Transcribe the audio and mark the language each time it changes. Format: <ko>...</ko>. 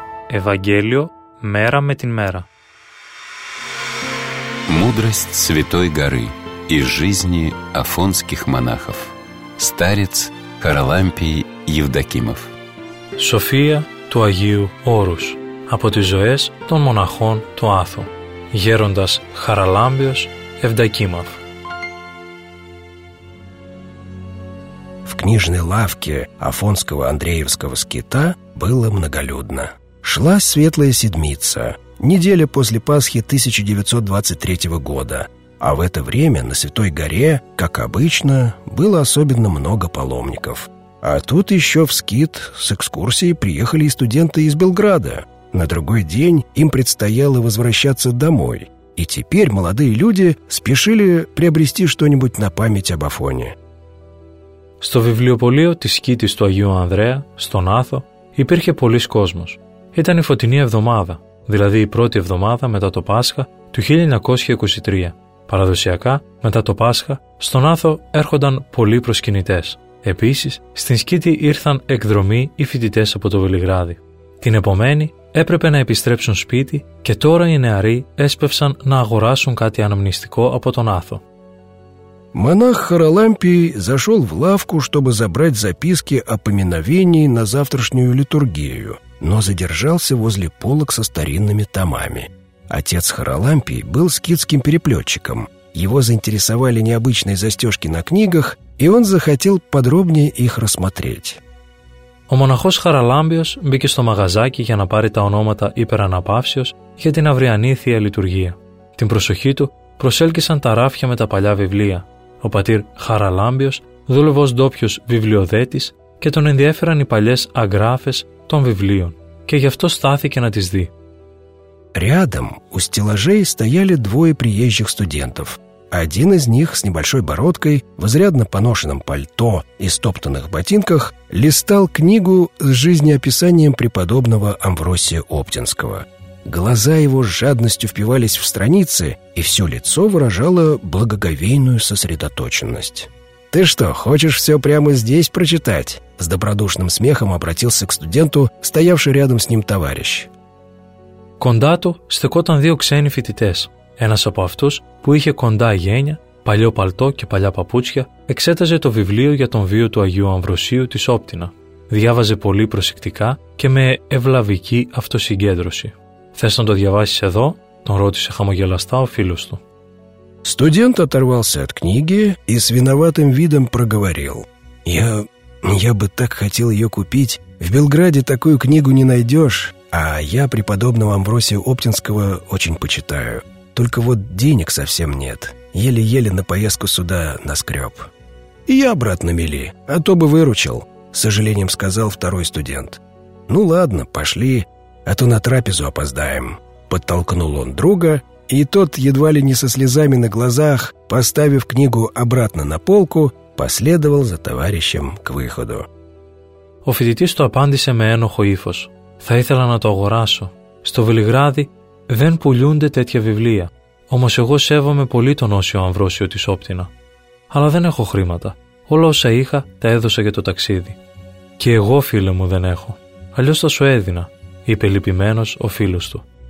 <ru>Евангелие мера</ru> <el>με την</el> <ru>мера. Мудрость Святой Горы из жизни афонских монахов. Старец Харалампий Евдокимов.</ru> <el>Σοφία του Αγίου Όρους από τις ζωές των μοναχών του Άθου. Γέροντας Χαραλάμπιος Ευδακίμαφ.</el> <ru>В книжной лавке Афонского Андреевского скита было многолюдно. Шла Светлая Седмица, неделя после Пасхи 1923 года, а в это время на Святой Горе, как обычно, было особенно много паломников. А тут еще в скит с экскурсией приехали и студенты из Белграда. На другой день им предстояло возвращаться домой. И теперь молодые люди спешили приобрести что-нибудь на память об Афоне.</ru> <el>Στο βιβλιοπωλείο της σκήτης του Αγίου Ανδρέα, στον Άθο, υπήρχε πολλής κόσμος. Ήταν η φωτεινή εβδομάδα, δηλαδή η πρώτη εβδομάδα μετά το Πάσχα του 1923. Παραδοσιακά, μετά το Πάσχα, στον Άθο έρχονταν πολλοί προσκυνητές. Επίσης, στην σκήτη ήρθαν εκδρομή οι φοιτητές από το Βελιγράδι. Την επομένη έπρεπε να επιστρέψουν σπίτι και τώρα οι νεαροί έσπευσαν να αγοράσουν κάτι αναμνηστικό από τον Άθο.</el> <ru>Монах Харалампий зашел в лавку, чтобы забрать записки о поминовении на завтрашнюю литургию, но задержался возле полок со старинными томами. Отец Харалампий был скитским переплетчиком. Его заинтересовали необычные застежки на книгах, и он захотел подробнее их рассмотреть.</ru> <el>Ο μοναχός Χαραλάμπιος μπήκε στο μαγαζάκι για να πάρει τα ονόματα υπεραναπαύσεως για την αυριανή Θεία Λειτουργία. Την προσοχή του προσέλκυσαν τα ράφια με τα παλιά βιβλία. Ο πατήρ Χαραλάμπιος δούλευε ως ντόπιος βιβλιοδέτης και τον ενδιέφεραν οι παλιές αγγράφες των βιβλίων και γι' αυτό στάθηκε να τις δει.</el> <ru>Рядом у стеллажей стояли двое приезжих студентов. Один из них с небольшой бородкой, в изрядно поношенном пальто и стоптанных ботинках листал книгу с жизнеописанием преподобного Амвросия Оптинского. Глаза его с жадностью впивались в страницы, и все лицо выражало благоговейную сосредоточенность. «Ты что, хочешь все прямо здесь прочитать?» с добродушным смехом обратился к студенту, стоявший рядом с ним товарищ.</ru> <el>Κοντά του στεκόταν δύο ξένοι φοιτητές. Ένας από αυτούς, που είχε κοντά γένια, παλιό παλτό και παλιά παπούτσια, εξέταζε το βιβλίο για τον βίο του Αγίου Αμβροσίου της Όπτινα. Διάβαζε πολύ προσεκτικά και με ευλαβική αυτοσυγκέντρωση. «Θες να το διαβάσεις εδώ?» τον ρώτησε χαμογελαστά ο φίλος του.</el> <ru>Студент оторвался от книги и с виноватым видом проговорил. «Я бы так хотел ее купить. В Белграде такую книгу не найдешь, а я преподобного Амвросия Оптинского очень почитаю. Только вот денег совсем нет. Еле-еле на поездку сюда наскреб. И я обратно мели, а то бы выручил», с сожалением сказал второй студент. «Ну ладно, пошли, а то на трапезу опоздаем», подтолкнул он друга, и тот, едва ли не со слезами на глазах, поставив книгу обратно на полку, последовал за товарищем к выходу.</ru> <el>Ο φοιτητής του απάντησε με ένοχο ύφος. «Θα ήθελα να το αγοράσω. Στο Βελιγράδι δεν πουλούνται τέτοια βιβλία. Όμως εγώ σέβομαι πολύ τον Όσιο Αμβρόσιο της Όπτινα. Αλλά δεν έχω χρήματα. Όλα όσα είχα τα έδωσα για το ταξίδι. Και εγώ, φίλε μου, δεν έχω. Αλλιώς θα σου έδινα», είπε λυπημένος ο φίλος του.</el>